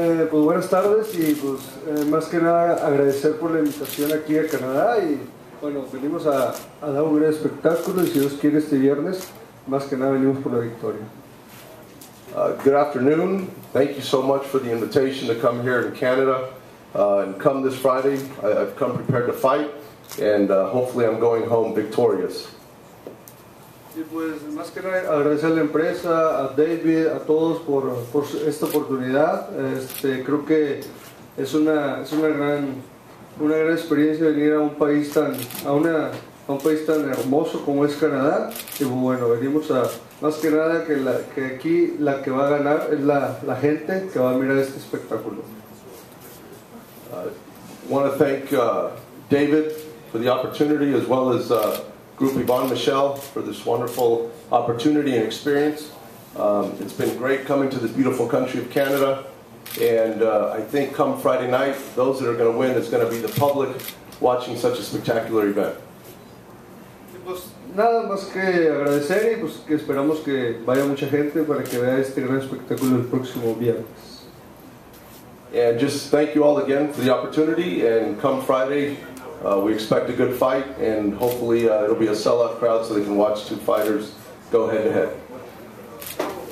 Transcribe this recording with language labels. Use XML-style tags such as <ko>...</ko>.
<es>Pues buenas tardes, y pues más que nada agradecer por la invitación aquí a Canadá, y bueno, venimos a dar un gran espectáculo, y si Dios quiere este viernes, más que nada venimos por la victoria.</es> <en>Good afternoon. Thank you so much for the invitation to come here in Canada and come this Friday. I've come prepared to fight, and hopefully I'm going home victorious.</en> <es>Y pues más que nada agradecer a la empresa, a David, a todos por esta oportunidad. Creo que es una gran experiencia venir a un país tan hermoso como es Canadá. Y bueno, venimos a más que nada que aquí la que va a ganar es la gente que va a mirar este espectáculo.</es> <en>Want to thank David for the opportunity, as well as Group Yvonne Michelle for this wonderful opportunity and experience. It's been great coming to this beautiful country of Canada. And I think come Friday night, those that are going to win, it's going to be the public watching such a spectacular event.</en> <es>Pues nada más que agradecer y pues que esperamos que vaya mucha gente para que vea este gran espectáculo el próximo viernes.</es> <en>And just thank you all again for the opportunity, and come Friday, we expect a good fight, and hopefully it'll be a sellout crowd so they can watch two fighters go head to head.</en>